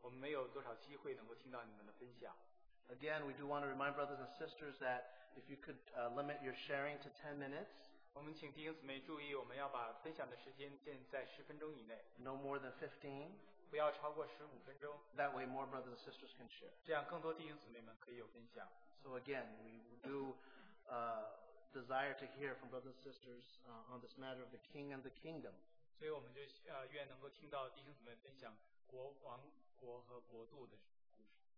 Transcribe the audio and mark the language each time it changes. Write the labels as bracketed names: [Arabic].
[Chinese] 尤其是像以德弟兄所提到的，是在马哈的弟兄姊妹，我们没有多少机会能够听到你们的分享。 [English] Again, we do want to remind brothers and sisters that if you could limit your sharing to 10 minutes. [Chinese] 我们请弟兄姊妹注意，我们要把分享的时间限在10分钟以内。 [English] No more than 15. [Chinese] 不要超过15分钟。 [English] That way more brothers and sisters can share. [Chinese] 这样更多弟兄姊妹们可以有分享。 [English] So again, we do desire to hear from brothers and sisters on this matter of the king and the kingdom. [Chinese] 所以我们就, 愿能够听到弟兄姊妹分享国王、国和国度的故事。